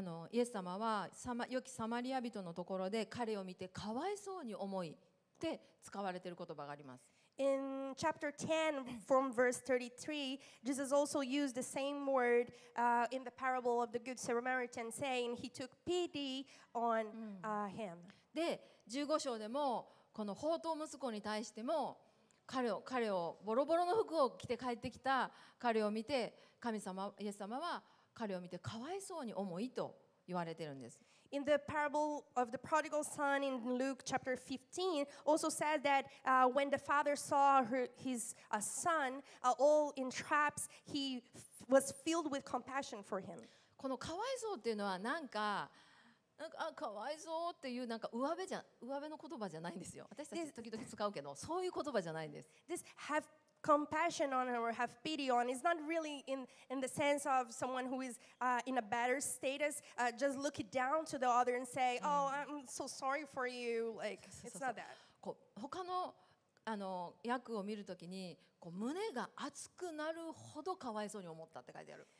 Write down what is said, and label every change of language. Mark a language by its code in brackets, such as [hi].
[ja] イエス様は良きサマリア人のところで彼を見てかわいそうに思いって使われている言葉があります。 [en] In chapter 10 from verse 33, Jesus also used the same word in the parable of the good Samaritan, saying he took pity on him. [ja] で、15章でもこの放蕩息子に対しても彼をボロボロの服を着て帰ってきた彼を見て神様イエス様は彼を見てかわいそうに思いと言われてるんです。 [en] In the parable of the prodigal son in Luke chapter 15, also said that when the father saw his son all in traps, he was filled with compassion for him. [ja] このかわいそうっていうのはなんかかわいそうっていうなんか上辺の言葉じゃないんですよ。私たち時々使うけど、そういう言葉じゃないんです。 [en] This haveCompassion on her or have pity on is not really in the sense of someone who is in a better status. Just look it down to the other and say, "Oh, I'm so sorry for you." Like it's not that. [ja] こう他の訳を見るときにこう胸が熱くなるほどかわいそうに思ったって書いてある。